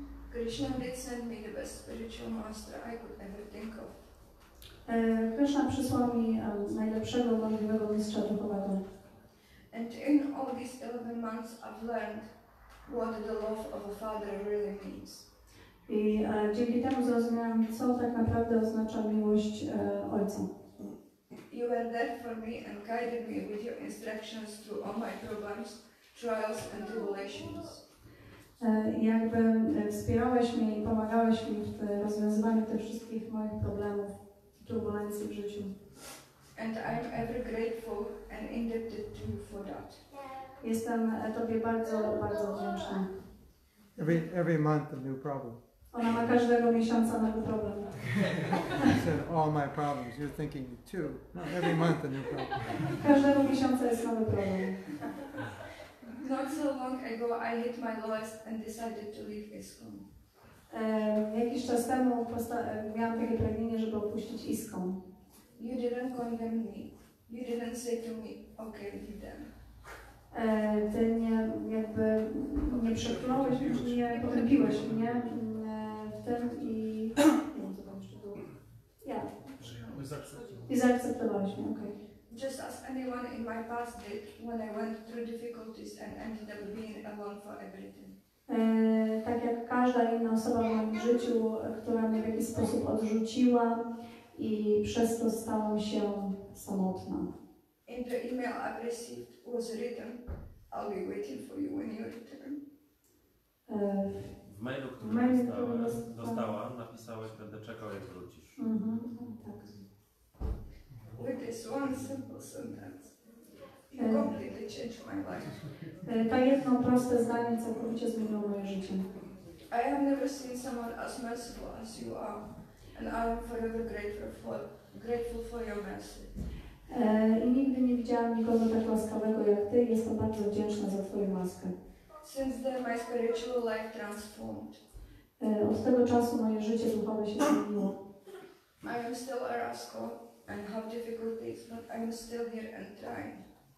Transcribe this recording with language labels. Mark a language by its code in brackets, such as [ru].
[en] Krishna did send me the best spiritual master I could ever think of. [pl] Krishna przysłał mi najlepszego, możliwego mistrza duchowego. [en] And in all these 11 months I've learned what the love of a father really means. [pl] I dzięki temu zrozumiałam, co tak naprawdę oznacza miłość ojca. [en] You were there for me and guided me with your instructions through all my problems, trials and tribulations. [pl] Jakby wspierałeś mnie i pomagałeś mi w rozwiązywaniu tych wszystkich moich problemów, turbulencji w życiu. [en] And I'm ever grateful and indebted to you for that. [pl] Jestem tobie bardzo, bardzo wdzięczna. [en] Every month a new problem. [pl] Ona ma każdego miesiąca nowy problem. [en] I said, all my problems. You're thinking, two. No, every month a new problem. [pl] Każdego miesiąca jest nowy problem. [en] Not so long ago, I hit my lowest and decided to leave ISKCON. [pl] Jakiś czas temu miałam takie pragnienie, żeby opuścić ISKCON. [en] You didn't condemn me. You didn't say to me, okay, leave them. [pl] Ty nie, jakby, nie przeklnąłeś, nie potępiłeś mnie w tym i... [en] Yeah. [pl] I zaakceptowałeś mnie, okej. [en] Just as anyone in my past did when I went through difficulties and ended up being alone for everything. [pl] Tak jak każda inna osoba w moim życiu, która mnie w jakiś sposób odrzuciła i przez to stałam się samotna. [en] In the email I received was written, a I'll be waiting for you when you return. [pl] W mailu, który mail, dostała, napisałeś, będę czekał, jak wrócisz. Tak. [en] With this one simple sentence, you completely changed my life. [pl] To jedno proste zdanie całkowicie zmieniło moje życie. [en] I have never seen someone as merciful as you are, and I am forever grateful for your mercy. [pl] Nigdy nie widziałam nikogo tak łaskawego jak ty, jestem bardzo wdzięczna za twoją łaskę. [en] Since then my spiritual life transformed. [pl] Od tego czasu moje życie duchowe się zmieniło. [en] I am still a rascal and have difficulties, but I am still here and trying.